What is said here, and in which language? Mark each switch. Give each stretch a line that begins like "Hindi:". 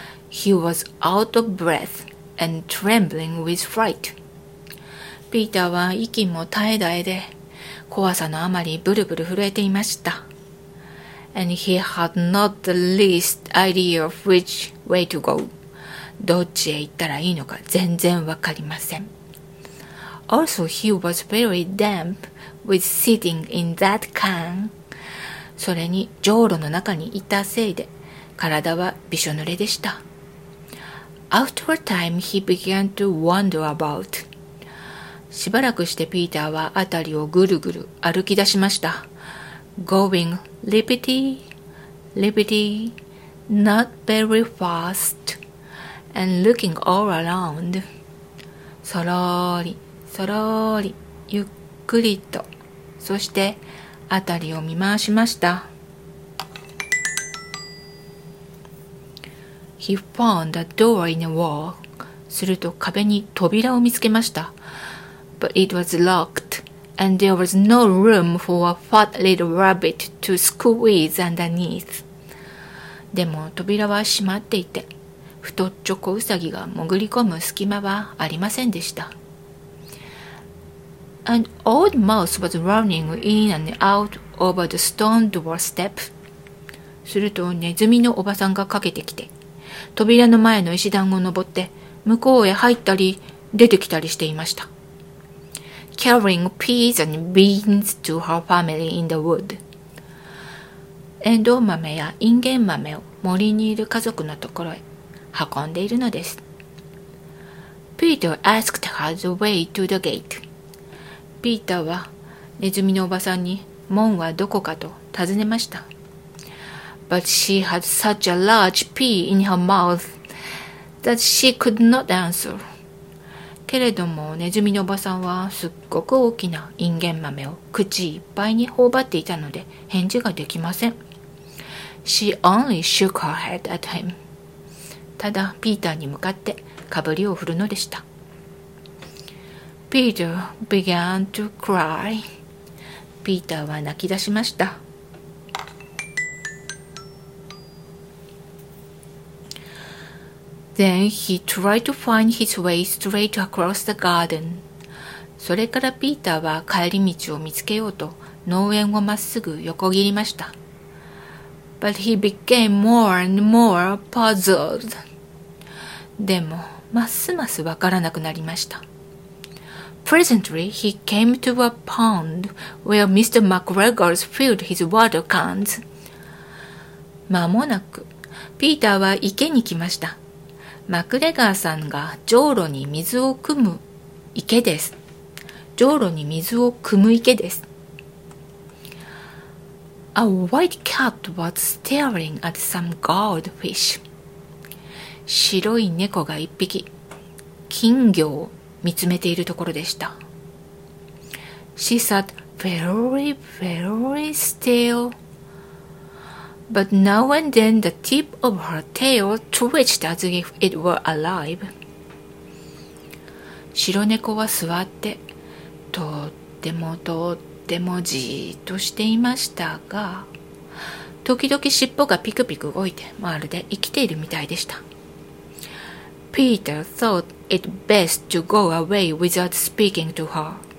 English: He was out of breath and trembling with fright.
Japanese: ピーターは息も絶え絶えで、怖さのあまりブルブル震えていました。
English: And he had not the least idea of which way to go.
Japanese: どっちへ行ったらいいのか全然わかりません。
English: Also, he was very damp with sitting in that can.
Japanese: それに、じょうろの中にいたせいで、体はびしょ濡れでした。
English: After a time, he began to wander about.
Japanese: しばらくしてピーターはあたりをぐるぐる歩き出しました。
English: Going lippity, lippity, not very fast, and looking all around.
Japanese: そろーり、そろーり、ゆっくりと、そしてあたりを見回しました。
English: He found a door in a wall.
Japanese: すると壁に扉を見つけました。
English: But it was locked, and there was no room for a fat little rabbit to squeeze underneath.
Japanese: でも扉は閉まっていて、太っちょ子ウサギが潜り込む隙間はありませんでした。
English: An old mouse was running in and out over the stone doorstep.
Japanese: するとネズミのおばさんが駆けてきて、扉の前の石段を登って向こうへ入ったり出てきたりしていました。
English: Carrying peas and beans to her family in the wood.
Japanese: エンドウ豆やインゲン豆を森にいる家族のところへ運んでいるのです。
English: Peter asked her the way to the gate.
Japanese: ピーターはネズミのおばさんに門はどこかと尋ねました。
English: But she had such a large pea in her mouth that she could not answer.
Japanese: けれどもネズミのおばさんはすっごく大きなインゲン豆を口いっぱいに頬張っていたので返事ができません。
English: She only shook her head at him.
Japanese: ただピーターに向かってかぶりを振るのでした。
English: Peter began to cry.
Japanese: ピーターは泣き出しました。
English: Then he tried to find his way straight across the garden.
Japanese: それからピーターは帰り道を見つけようと農園をまっすぐ横切りました。
English: But he became more and more puzzled.
Japanese: でも、ますますわからなくなりました。
English: Presently, he came to a pond where Mr. McGregor filled his water cans.
Japanese: 間もなく、ピーターは池に来ました。マクレガーさんが浄炉に水を汲む池です。浄炉に水を汲む池です。
English: A white cat was staring at some goldfish.
Japanese: 白い猫が一匹、金魚を見つめているところでした。
English: She sat very, very still. But now and then the tip of her tail twitched as if it were alive.
Japanese: 白猫は座って、とってもとってもとてもじーっとしていましたが、時々尻尾がピクピク動いて、まるで生きているみたいでした。
English: Peter thought it best to go away without speaking to her.